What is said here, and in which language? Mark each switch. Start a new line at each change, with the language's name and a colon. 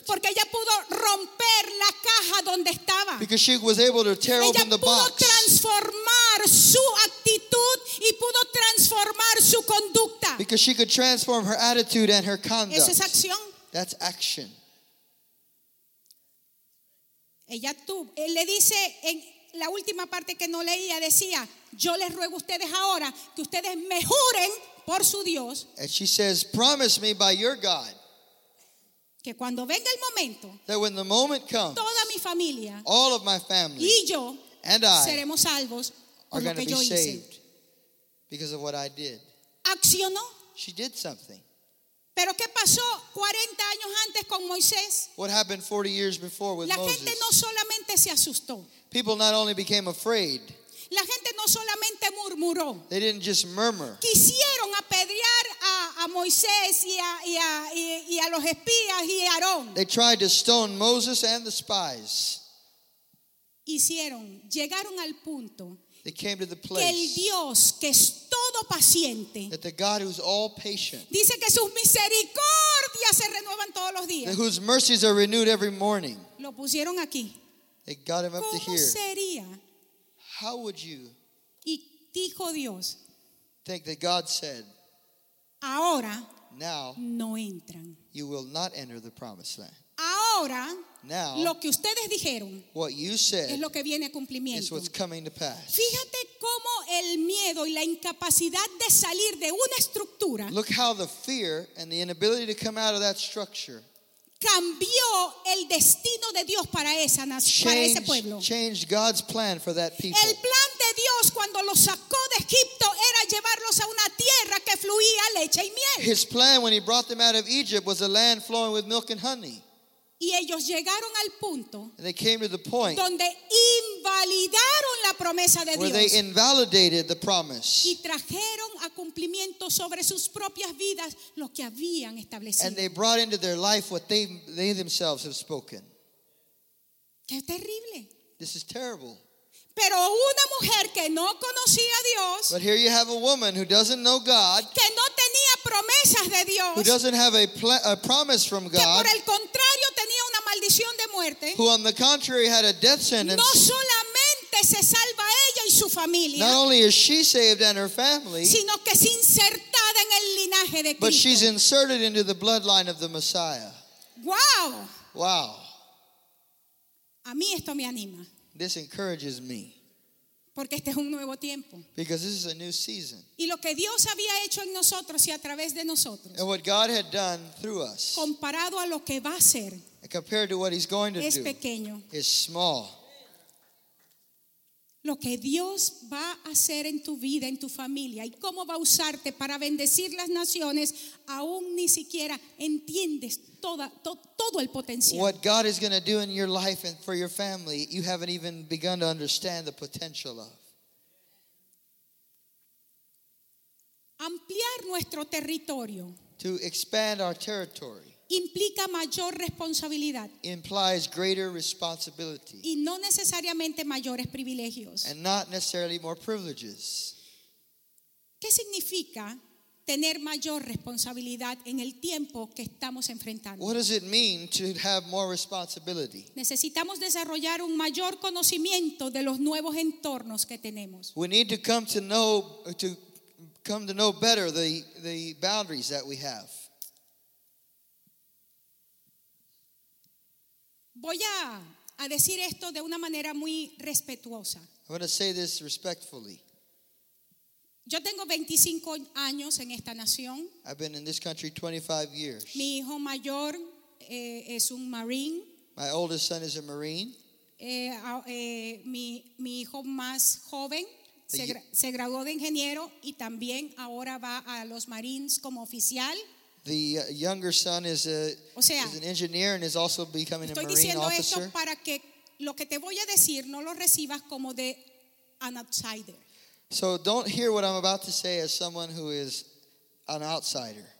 Spanish: Porque ella pudo romper la caja donde estaba.
English: Because she was able to tear
Spanish: ella
English: open the box.
Spanish: Ella pudo transformar su actitud y pudo transformar su conducta.
English: Because she could transform her attitude and her conduct.
Spanish: Eso es acción.
English: That's action.
Spanish: Ella tuvo. Él le dice en la última parte que no leía, decía, yo les ruego a ustedes ahora que ustedes me juren por su Dios,
English: and she says, promise me by your God
Spanish: que cuando venga el momento,
English: that when the moment comes,
Spanish: toda mi familia,
English: all of my family
Spanish: y yo,
English: and I
Spanish: seremos salvos
English: are going to be saved
Spanish: hice.
English: Because of what I did.
Spanish: Accionó.
English: She did something.
Spanish: Pero ¿qué pasó 40 años antes con Moisés?
English: What happened 40 years before with
Spanish: la gente
English: Moses?
Spanish: No solamente se asustó.
English: People not only became afraid.
Spanish: La gente no solamente murmuró.
English: They didn't just murmur.
Spanish: Quisieron apedrear a Moisés y a los espías y a Aarón.
English: They tried to stone Moses and the spies.
Spanish: Hicieron, llegaron al punto.
English: They came to the place.
Spanish: Que el Dios que es todo paciente.
English: That the God who's all patient.
Spanish: Dice que sus misericordias se renuevan todos los días.
English: Whose mercies are renewed every morning.
Spanish: Lo pusieron aquí.
English: They got him up to here.
Spanish: ¿Cómo sería?
English: How would you
Spanish: y dijo Dios,
English: think that God said
Spanish: ahora,
English: now
Spanish: no entran.
English: You will not enter the promised land.
Spanish: Ahora,
English: Now,
Spanish: lo que ustedes dijeron
English: what you said
Spanish: es lo que viene a cumplimiento.
English: Is what's coming to pass.
Spanish: Fíjate cómo el miedo y la incapacidad de salir de una estructura.
English: Look how the fear and the inability to come out of that structure
Spanish: cambió el destino de Dios para esa nación,
English: changed,
Spanish: para ese pueblo.
English: Changed God's plan for that people.
Spanish: El plan de Dios cuando los sacó de Egipto era llevarlos a una tierra que fluía leche y miel.
English: His plan when he brought them out of Egypt was a land flowing with milk and honey.
Spanish: Y ellos llegaron al punto
English: they came to the point
Spanish: donde invalidaron la promesa de
English: where
Spanish: Dios
English: they invalidated the promise
Spanish: y trajeron a cumplimiento sobre sus propias vidas lo que habían establecido.
English: And they brought into their life what they themselves have spoken.
Spanish: Qué terrible.
English: This is terrible.
Spanish: Pero una mujer que no conocía a Dios,
English: but here you have a woman who doesn't know God,
Spanish: que no tenía promesas de Dios,
English: who doesn't have a promise from God,
Spanish: que por el contrario tenía una maldición de muerte,
English: who on the contrary had a death sentence.
Spanish: No solamente se salva ella y su familia,
English: not only is she saved and her family,
Spanish: sino que es insertada en el linaje de Cristo,
English: but she's inserted into the bloodline of the Messiah. Wow. Wow.
Spanish: A mí esto me anima.
English: This encourages me.
Spanish: Porque este es un nuevo tiempo.
English: Because this is a new season.
Spanish: Y lo que Dios había hecho en nosotros y a través de nosotros.
English: And what God had done through us.
Spanish: Comparado a lo que va a ser.
English: Compared to what he's going to do.
Spanish: Es pequeño.
English: Is small.
Spanish: Lo que Dios va a hacer en tu vida, en tu familia, y cómo va a usarte para bendecir las naciones, aún ni siquiera entiendes todo el potencial.
English: What God is going to do in your life and for your family, you haven't even begun to understand the potential of.
Spanish: Ampliar nuestro territorio.
English: To expand our territory.
Spanish: Implica mayor responsabilidad.
English: Implies greater responsibility.
Spanish: Y no necesariamente mayores privilegios.
English: And not necessarily more privileges.
Spanish: ¿Qué significa tener mayor responsabilidad en el tiempo que estamos enfrentando?
English: What does it mean to have more responsibility?
Spanish: Necesitamos desarrollar un mayor conocimiento de los nuevos entornos que tenemos.
English: We need to come to know better the boundaries that we have.
Spanish: Voy a decir esto de una manera muy respetuosa.
English: I'm going to say this respectfully.
Spanish: Yo tengo 25 años en esta nación.
English: I've been in this country 25 years.
Spanish: Mi hijo mayor es un Marine.
English: My oldest son is a Marine.
Spanish: Mi hijo más joven se graduó de ingeniero y también ahora va a los Marines como oficial.
English: The younger son is an engineer and is also becoming a Marine officer.
Spanish: Estoy diciendo esto para que lo que te voy a decir no lo recibas como de
English: an outsider. So don't hear what I'm about to say as someone who is an outsider.